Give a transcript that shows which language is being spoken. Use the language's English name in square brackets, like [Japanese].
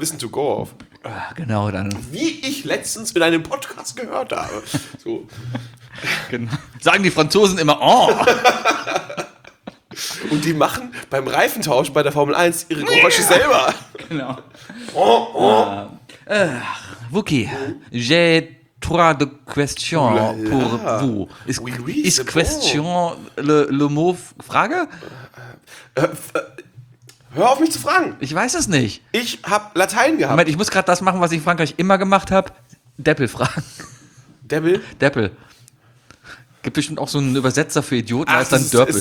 [German] Wissen to go auf. Genau, dann. Wie ich letztens in einem Podcast gehört habe. So. Genau. Sagen die Franzosen immer, oh. Und die machen beim Reifentausch bei der Formel 1 ihre Geräusche selber. Genau. Oh, oh. [French] Wookie, j'ai 3 questions pour vous. [German] Ist, ist [French] question le mot [German] Frage? Hör auf mich zu fragen. Ich weiß es nicht. Ich habe Latein gehabt. Moment, ich muss gerade das machen, was ich in Frankreich immer gemacht habe. Deppel fragen. Deppel? Deppel. Gibt bestimmt auch so einen Übersetzer für Idioten, als dann Dörpel.